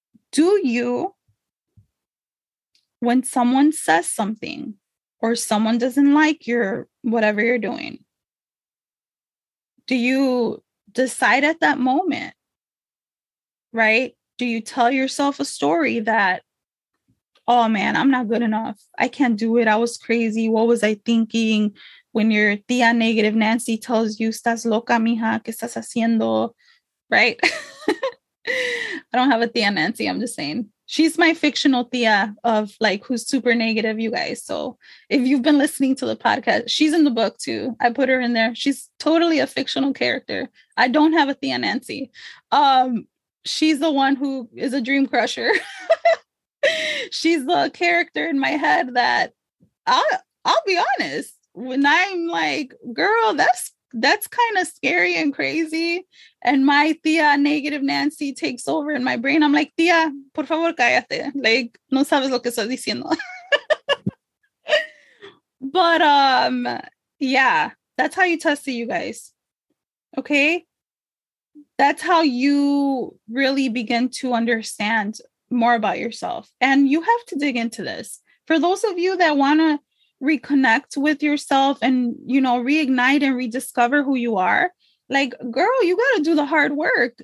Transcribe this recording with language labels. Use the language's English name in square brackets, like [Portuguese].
[English] Do you, when someone says something or someone doesn't like your whatever you're doing, do you decide at that moment? Right? Do you tell yourself a story that, oh man, I'm not good enough. I can't do it. I was crazy. What was I thinking? When your tia negative Nancy tells you, [Spanish] estás loca, mija, ¿qué estás haciendo? [English] Right? I don't have a tia Nancy. I'm just saying. She's my fictional tia of like who's super negative, you guys. So if you've been listening to the podcast, she's in the book too. I put her in there. She's totally a fictional character. I don't have a tia Nancy. She's the one who is a dream crusher. She's the character in my head that I'll be honest, when I'm like, girl, that's kind of scary and crazy. And my tia negative Nancy takes over in my brain. I'm like, [Spanish] tia, por favor, cállate. Like, no sabes lo que estás diciendo. [English] But yeah, that's how you test it, you guys. Okay. that's how you really begin to understand more about yourself. And you have to dig into this. For those of you that want to reconnect with yourself and, you know, reignite and rediscover who you are, like, girl, you got to do the hard work.